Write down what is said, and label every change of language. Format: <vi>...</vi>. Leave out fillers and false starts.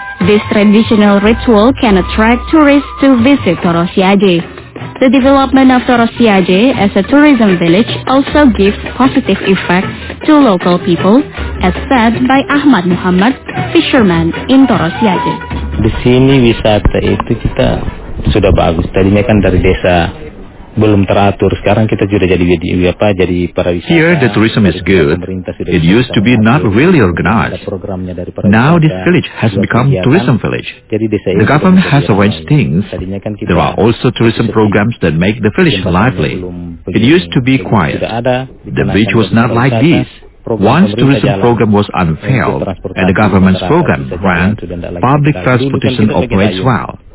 <en>This traditional ritual can attract tourists to visit Torosiaje. The development of Torosiaje as a tourism village also gives positive effect to local people, as said by Ahmad Muhammad, fisherman in Torosiaje.</en> <id>Di sini wisata itu kita sudah bagus. Tadinya kan dari desa belum teratur. Sekarang kita sudah jadi para wisata.</id> <en>Here the tourism is good. It used to be not really organized. Now this village has become tourism village. The government has arranged things. There are also tourism programs that make the village lively. It used to be quiet. The village was not like this. Once tourism program was unveiled and the government's program ran, public transportation operates well.</en>